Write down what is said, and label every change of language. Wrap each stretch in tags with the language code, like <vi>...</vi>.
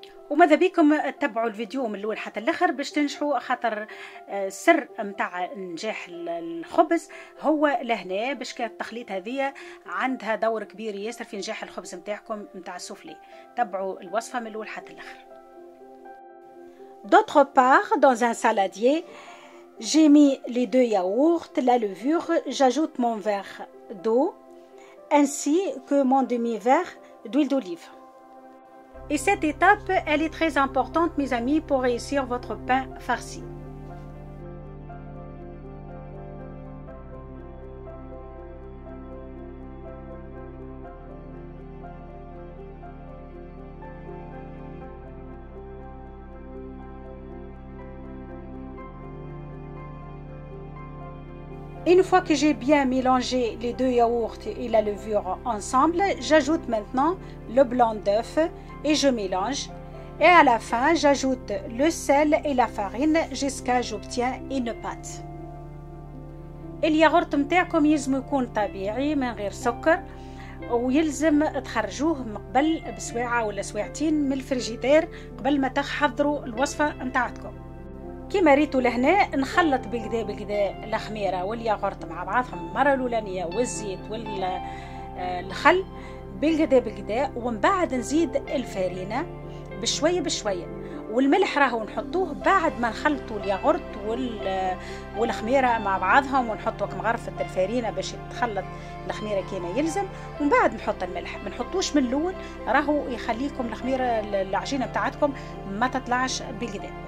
<ar>وماذا بيكم تتبعوا الفيديو من الاول حتى الاخر باش تنجحوا، خاطر السر متاع نجاح الخبز هو لهنا، باش كانت التخليط هذه عندها دور كبير ياسر في نجاح الخبز متاعكم متاع السوفلي. تبعوا الوصفه من الاول حتى الاخر.</ar> <fr>D'autre part, dans un saladier, j'ai mis les deux yaourts, la levure, j'ajoute mon verre d'eau ainsi que mon demi-verre d'huile d'olive. Et cette étape, elle est très importante, mes amis, pour réussir votre pain farci. Une fois que j'ai bien mélangé les deux yaourts et la levure ensemble, j'ajoute maintenant le blanc d'œuf et je mélange. Et à la fin, j'ajoute le sel et la farine jusqu'à ce que j'obtiens une pâte. Et le yaourt</fr> <ar>متاعكم يلزم يكون طبيعي من غير سكر ويلزم تخرجوه قبل بسويعة ولا سويعتين من الفريجيدير قبل ما تحضروا الوصفة متاعتكم. كما ريتوا لهنا نخلط بالكدا بالكدا الخميرة والياغورت مع بعضهم، المرة الأولانية والزيت والخل بالكدا بالكدا، ومن بعد نزيد الفارينة بشوية بشوية، والملح راهو نحطوه بعد ما نخلطوا الياغورت والخميرة مع بعضهم ونحطوا مغرفة الفارينة باش تخلط الخميرة كما يلزم، ومن بعد نحط الملح، ما نحطوش من الأول راهو يخليكم الخميرة العجينة بتاعتكم ما تطلعش بالكدا.</ar>